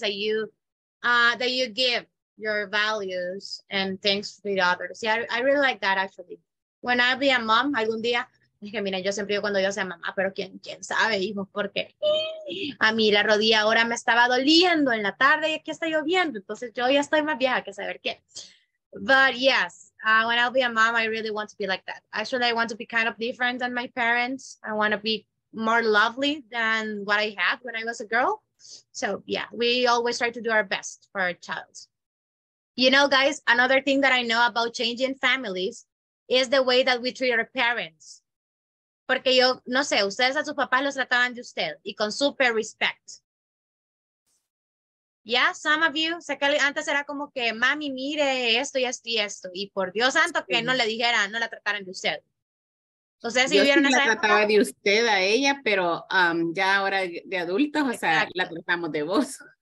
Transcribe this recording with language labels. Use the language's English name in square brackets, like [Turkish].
[English] That you give your values and things to the others. Yeah, I really like that actually. When I be a mom, [Spanish] algún día, dije, mira, yo siempre digo cuando yo sea mamá, pero quién sabe, hijo, porque a mí la rodilla ahora me estaba doliendo en la tarde y aquí está lloviendo, entonces yo ya estoy más vieja que saber qué. [English] But yes. When I'll be a mom, I really want to be like that. Actually, I want to be kind of different than my parents. I want to be more lovely than what I had when I was a girl. So yeah, we always try to do our best for our child. You know, guys, another thing that I know about changing families is the way that we treat our parents. [Spanish] Porque yo, no sé, ustedes a sus papás los trataban de usted y con super respect. [English] Yeah, some of you, [Spanish] o sea, que antes era como que mami, mire esto y esto y esto, y por Dios santo que no le dijeran, no la trataran de usted. O sea, si hubieran. Yo sí la trataba de usted a ella, pero ya ahora de adultos, o sea, la tratamos de vos.